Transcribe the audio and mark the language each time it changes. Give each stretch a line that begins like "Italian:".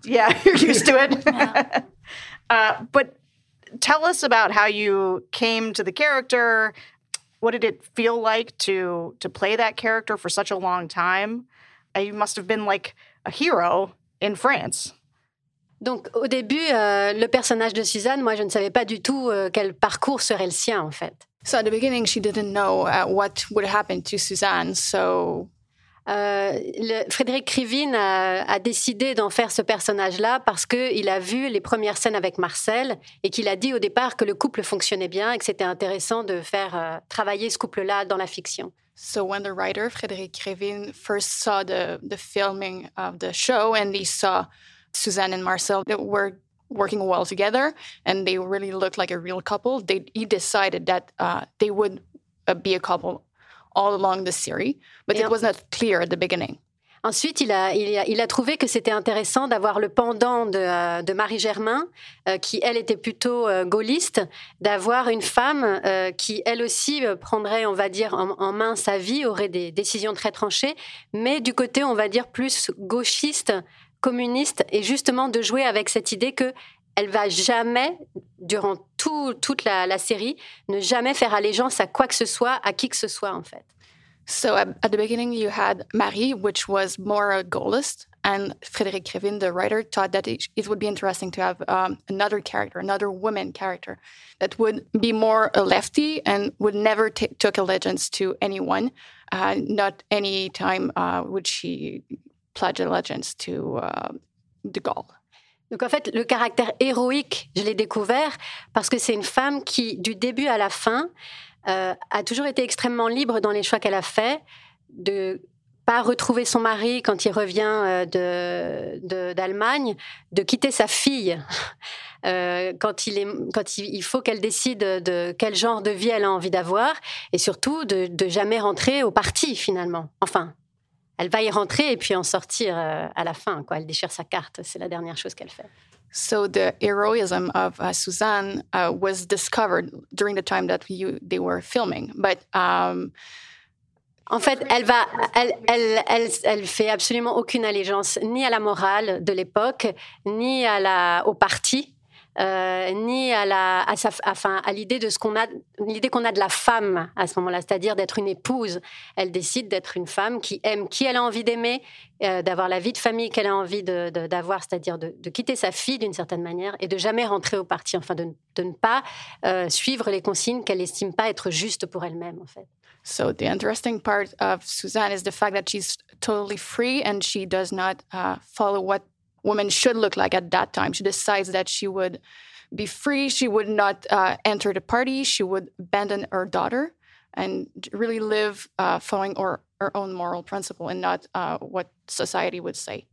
English: Yeah, you're used to it. Yeah. But tell us about how you came to the character. What did it feel like to play that character for such a long time? You must have been like a hero in France.
French: Donc, au début, le personnage de Suzanne, moi, je ne savais pas du tout quel parcours serait le sien, en fait.
English: So, at the beginning, she didn't know what would happen to Suzanne, so...
French: Frédéric Krivine a décidé d'en faire ce personnage-là parce qu'il a vu les premières scènes avec Marcel et qu'il a dit au départ que le couple fonctionnait bien et que c'était intéressant de faire travailler ce couple-là dans la fiction.
English: So when the writer, Frédéric Krivine, first saw the filming of the show and he saw Suzanne and Marcel that were working well together and they really looked like a real couple, he decided that they would be a couple all along the series, but it was not clear at the beginning.
French: Ensuite, il a trouvé que c'était intéressant d'avoir le pendant de Marie Germain, qui elle était plutôt gaulliste, d'avoir une femme qui elle aussi prendrait, on va dire, en main sa vie, aurait des décisions très tranchées, mais du côté, on va dire, plus gauchiste, communiste, et justement de jouer avec cette idée que elle va jamais, durant toute la série, ne jamais faire allégeance à quoi que ce soit, à qui que ce soit, en fait.
English: So at the beginning, you had Marie, which was more a gaullist, and Frédéric Krivine, the writer, thought that it would be interesting to have another character, another woman character, that would be more a lefty and would never took allegiance to anyone. Not any time would she pledge allegiance to de Gaulle.
French: Donc en fait, le caractère héroïque, je l'ai découvert parce que c'est une femme qui, du début à la fin, a toujours été extrêmement libre dans les choix qu'elle a faits, de pas retrouver son mari quand il revient d'Allemagne, de quitter sa fille quand il faut qu'elle décide de quel genre de vie elle a envie d'avoir, et surtout de jamais rentrer au parti finalement. Enfin. Elle va y rentrer et puis en sortir à la fin, quoi. Elle déchire sa carte. C'est la dernière chose qu'elle fait.
English: So the heroism of Suzanne was discovered during the time that they were filming. But
French: en fait, elle fait absolument aucune allégeance ni à la morale de l'époque, ni au parti, ni à l'idée de ce qu'on a, l'idée qu'on a de la femme à ce moment-là, c'est-à-dire d'être une épouse. Elle décide d'être une femme qui aime qui elle a envie d'aimer, d'avoir la vie de famille qu'elle a envie d'avoir, c'est-à-dire de quitter sa fille d'une certaine manière et de jamais rentrer au parti, enfin de ne pas suivre les consignes qu'elle estime pas être justes pour elle-même, en fait.
English: So the interesting part of Suzanne is the fact that she's totally free and she does not follow woman should look like at that time. She decides that she would be free. She would not enter the party. She would abandon her daughter and really live following her own moral principle and not what society would say.